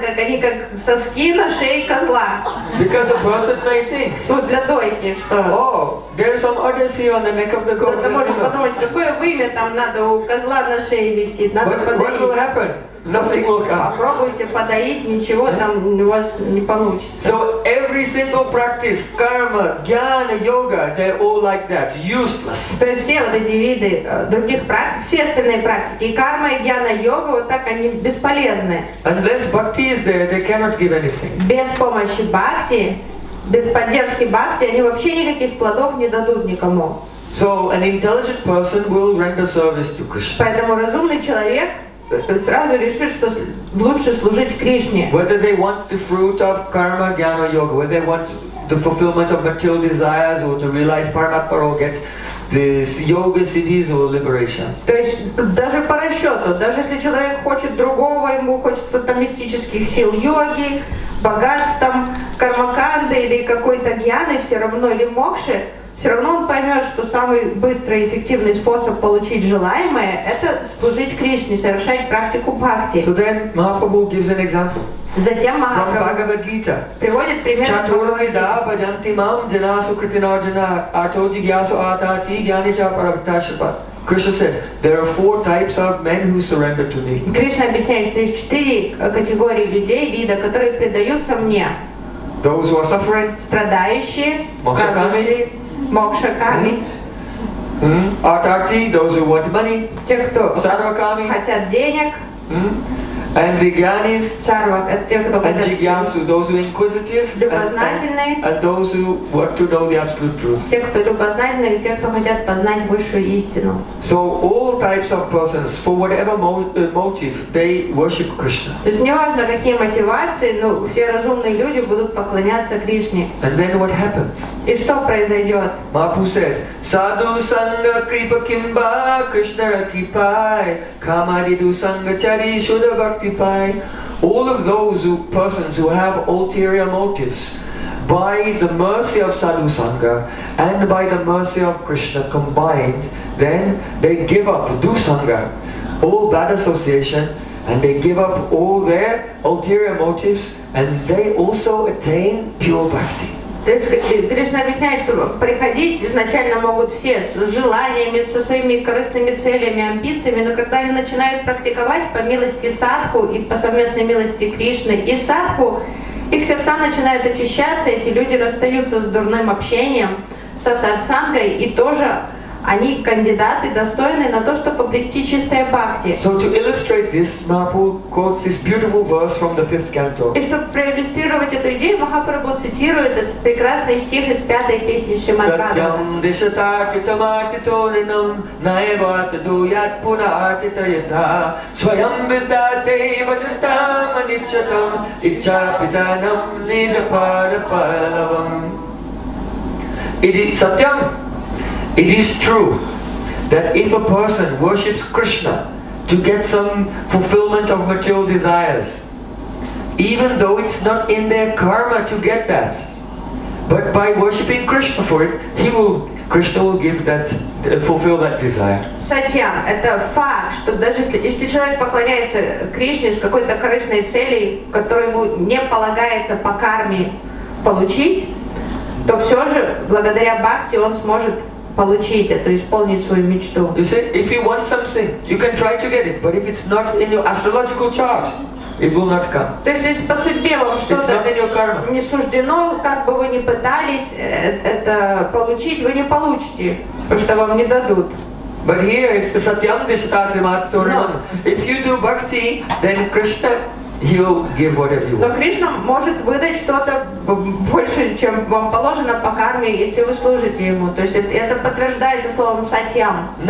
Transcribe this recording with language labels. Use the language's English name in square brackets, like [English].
[Russian] как они как соски на шее козла. [English] Because a person may think. [Russian] Ну для дойки что? [English] Oh, there's some odyssey on the neck of the goat. [Russian] Кто-то может подумать, какое вымя там надо у козла на шее висит, надо подарить. [English] What will happen? Nothing will come. [Russian] Попробуйте подоить, ничего там у вас не получится. [English] So every single practice, karma, jnana, yoga, they're all like that, useless. [Russian] То есть все вот эти виды других практик, все остальные практики, и карма, и jnana, йога, вот так они бесполезны. [English] Unless bhakti is there, they cannot give anything. [Russian] Без помощи бхакти, без поддержки бхакти, они вообще никаких плодов не дадут никому. [English] So an intelligent person will render service to Krishna. [Russian] Поэтому разумный человек сразу решит, что лучше служить Кришне. [English] Whether they want the fruit of karma, jnana, yoga, whether they want the fulfillment of material desires or to realize paramatma or get this yoga siddhis or liberation. [Russian] То есть даже по расчету, даже если человек хочет другого, ему хочется там мистических сил йоги, богатством, кармаканды или какой-то гьяны все равно, или мокши, все равно он поймет, что самый быстрый и эффективный способ получить желаемое – это служить Кришне, совершать практику бхакти. [English] So then Mahaprabhu gives an example. [Russian] Затем Махапрабху приводит пример. [Sanskrit] Чатурвида баджанти мам джана сукритинарджана атоджи гьясо атати гьяни ча парабхитаршипа. [English] Krishna said, there are four types of men who surrender to me. [Russian] Кришна объясняет, что есть четыре категории людей, вида, которые предаются мне. [English] Those who are suffering. [Russian] Страдающие. [Sanskrit] Мокшаками. Мокшаками. [English] Атарти, those who want money. [Russian] Те, кто сарваками, хотят денег. [English] And the gyanis. [Russian] Сарва, это те, кто хотят. [English] And jigyasu, those who inquisitive. [Russian] Любознательные. [English] And those who want to know the absolute truth. [Russian] Те, кто любознательные, и те, кто хотят познать высшую истину. [English] So all types of persons, for whatever motive, they worship Krishna. [Russian] То есть неважно какие мотивации, но все разумные люди будут поклоняться Кришне. [English] And then what happens? [Russian] И что произойдет? [English] Mahaprabhu said, [Sanskrit] Sadhu sangha kripa kimba Krishna kripai Kamadidu sangha chari shudhava. [English] All of those who, persons who have ulterior motives, by the mercy of Sadhu Sangha and by the mercy of Krishna combined, then they give up Dusangha, all bad association, and they give up all their ulterior motives, and they also attain pure bhakti. [Russian] Кришна объясняет, что приходить изначально могут все с желаниями, со своими корыстными целями, амбициями, но когда они начинают практиковать по милости садху и по совместной милости Кришны и садху, их сердца начинают очищаться, эти люди расстаются с дурным общением, со садсангой, и тоже они кандидаты, достойные на то, чтобы обрести чистое бхакти. [English] So to illustrate this, Mahaprabhu quotes this beautiful verse from the fifth canto. [Russian] И чтобы проиллюстрировать эту идею, Махапрабху цитирует этот прекрасный стих из пятой песни Шримад-Бхагаватам. [Sanskrit] Satyam dishatatitam atitorinam naevatiduyat punatitayata Swayam vidate vajatam anichatam ichapitanam nijaparapalavam. [English] It is Satyam. It is true that if a person worships Krishna to get some fulfillment of material desires, even though it's not in their karma to get that, but by worshiping Krishna for it, Krishna will give that, fulfill that desire. [Russian] Satyam, это факт, что даже если человек поклоняется Кришне с какой-то корыстной цели, которую ему не полагается по карме получить, то все же благодаря бхакти он сможет получить это, исполнить свою мечту. [English] You see, if you want something, you can try to get it, but if it's not in your astrological chart, it will not come. [Russian] То есть, если по судьбе вам что-то не суждено, как бы вы ни пытались это получить, вы не получите, потому что вам не дадут. [English] But here it's the [Sanskrit] satyam dishatatim atitorinam. [English] If you do bhakti, then Krishna, he'll give whatever you want. [Russian] Но Кришна может выдать что-то больше, чем вам положено по карме, если вы служите ему. То есть это подтверждается словом сатьям.